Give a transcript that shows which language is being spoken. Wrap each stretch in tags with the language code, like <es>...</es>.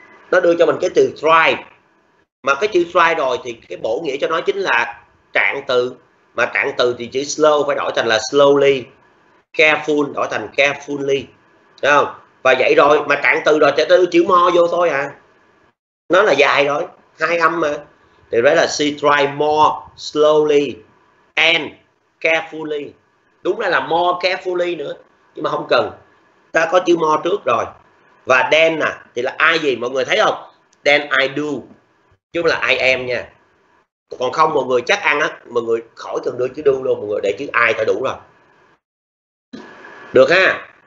<vi>Nó đưa cho mình cái từ drive. Mà cái chữ drive rồi thì cái bổ nghĩa cho nó chính là trạng từ. Mà trạng từ thì chữ slow phải đổi thành là slowly. Careful đổi thành carefully. Thấy không? Và vậy rồi, mà trạng từ rồi sẽ đưa chữ more vô thôi à. Nó là dài rồi, hai âm mà. Thì đó là</vi> <en>she tried more slowly and carefully.</en> <vi>Đúng là</vi> <en>more carefully</en> <vi>nữa, nhưng mà không cần. Ta có chữ more trước rồi. Và then nè, thì là ai gì mọi người thấy không?</vi> <en>Then I do,</en> <vi>chứ không là</vi> <en>I am</en> <vi>nha. Còn không mọi người chắc ăn á, mọi người khỏi cần đưa chữ do luôn, mọi người để chữ I thôi đủ rồi. Được ha.</vi>